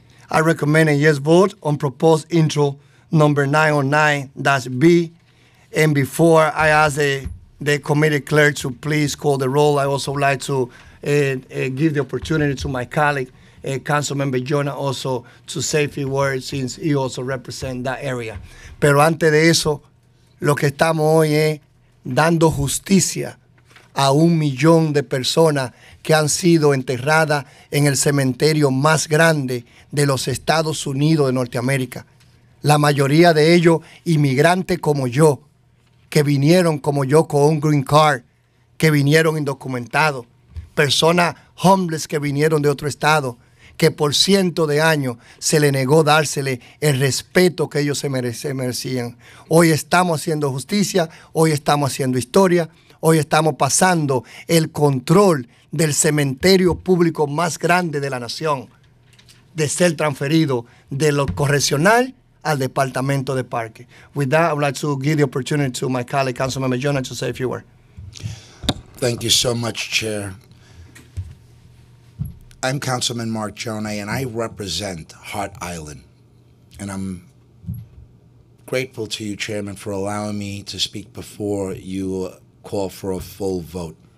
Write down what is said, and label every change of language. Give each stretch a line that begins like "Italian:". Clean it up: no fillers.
English: I recommend a yes vote on proposed intro number 909-B. And before I ask the committee clerk to please call the roll, I also would like to give the opportunity to my colleague, Councilmember Jonah, also to say a few words since he also represents that area.
Spanish: Pero antes de eso, lo que estamos hoy es dando justicia a 1 million de personas que han sido enterradas en el cementerio más grande de los Estados Unidos de Norteamérica. La mayoría de ellos, inmigrantes como yo, que vinieron como yo con un green card, que vinieron indocumentados, personas homeless que vinieron de otro estado, que por cientos de años se le negó dársele el respeto que ellos se merecían. Hoy estamos haciendo justicia, hoy estamos haciendo historia, hoy estamos pasando el control del cementerio público más grande de la nación de ser transferido de lo correccional al Departamento de Parque.
English: With that, I would like to give the opportunity to my colleague, Councilmember Jonah, to say a few words. Thank you so much, Chair. I'm Councilman Mark Jonah, and I represent Heart Island. And I'm grateful to you, Chairman, for allowing me to speak before you call for a full vote.